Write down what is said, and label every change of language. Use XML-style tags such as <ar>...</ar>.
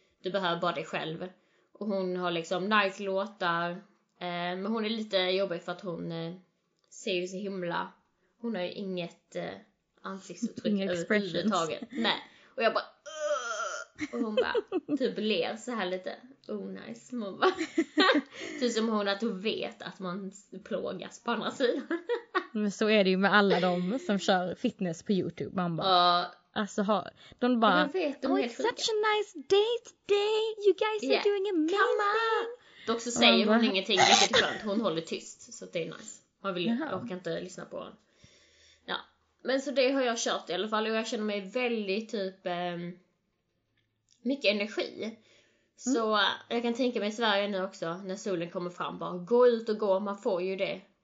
<sv>Du behöver bara dig själv och hon har liksom nice låtar men hon är lite jobbig för att hon ser ju så himla, hon har ju inget ansiktsuttryck överhuvudtaget. Nej. Och jag bara och hon bara typ ler så här lite oh nice man bara, typ som hon att hon vet att man plågas på andra sidan. Men så är det ju med alla de som kör fitness på YouTube. Man bara, alltså har, de bara, vet, de</sv> <en>oh it's such a nice day today, you guys are doing amazing.</en> <sv>Dock så säger hon ingenting, vilket är skönt, hon håller tyst, så det är nice. Man vill, orkar inte lyssna på honom. Ja, men så det har jag kört i alla fall och jag känner mig väldigt typ mycket energi. Så jag kan tänka mig i Sverige nu också, när solen kommer fram, bara gå ut och gå, man får ju det.</sv>